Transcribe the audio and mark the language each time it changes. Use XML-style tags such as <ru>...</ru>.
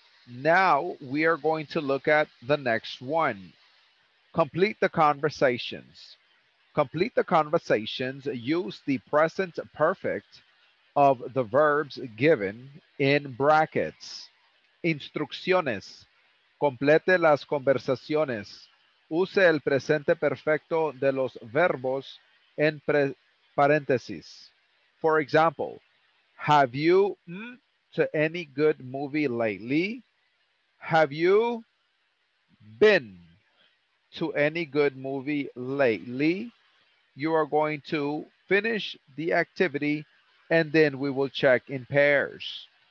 <en>Now we are going to look at the next one. Complete the conversations. Complete the conversations. Use the present perfect of the verbs given in brackets.</en> <es>Instrucciones. Complete las conversaciones. Use el presente perfecto de los verbos en paréntesis.</es> <en>For example, have you to any good movie lately? Have you been to any good movie lately? You are going to finish the activity and then we will check in pairs.</en>